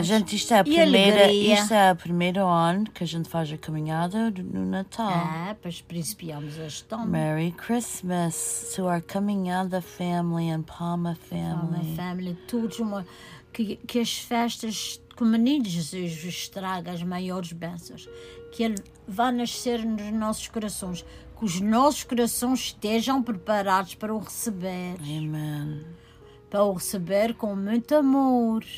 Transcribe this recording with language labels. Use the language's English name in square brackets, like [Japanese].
[Portuguese] A gente, isto é a primeira ano que a gente faz a caminhada no Natal. É, pois principiamos este ano. [English] Merry Christmas to our caminhada family and Palma family. [Portuguese] Palma family, todos uma... Que as festas, como o menino Jesus vos traga as maiores bênçãos, que ele vá nascer nos nossos corações, que os nossos corações estejam preparados para o receber. Amen. Para o receber com muito amor.